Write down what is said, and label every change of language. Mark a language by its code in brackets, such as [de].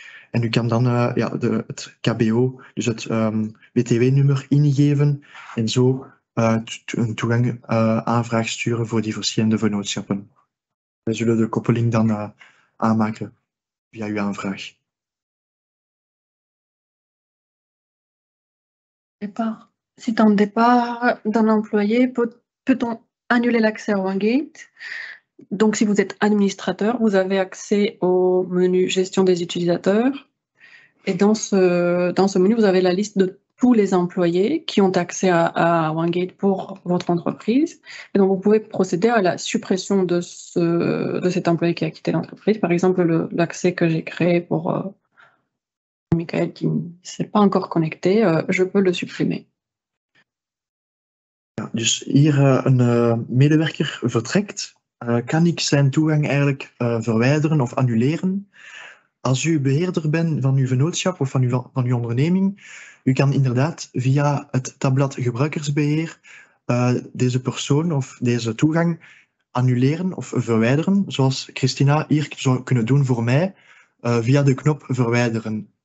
[nl] En u kan dan het KBO, dus het WTW-nummer ingeven en zo een toegang aanvraag sturen voor die verschillende vennootschappen. Wij zullen de koppeling dan aanmaken via uw aanvraag. [fr] Si un départ d'un employé, peut-on annuler l'accès à OneGate? Donc, si vous êtes administrateur, vous avez accès au menu gestion des utilisateurs. Et dans ce menu, vous avez la liste de tous les employés qui ont accès à OneGate pour votre entreprise. Et donc, vous pouvez procéder à la suppression de cet employé qui a quitté l'entreprise. Par exemple, l'accès que j'ai créé pour Michael qui ne s'est pas encore connecté, je peux le supprimer. [nl] Ja, dus hier een medewerker vertrekt, kan ik zijn toegang eigenlijk verwijderen of annuleren? Als u beheerder bent van uw vennootschap of van uw onderneming, u kan inderdaad via het tabblad gebruikersbeheer deze persoon of deze toegang annuleren of verwijderen, zoals Christina hier zou kunnen doen voor mij, via de knop verwijderen.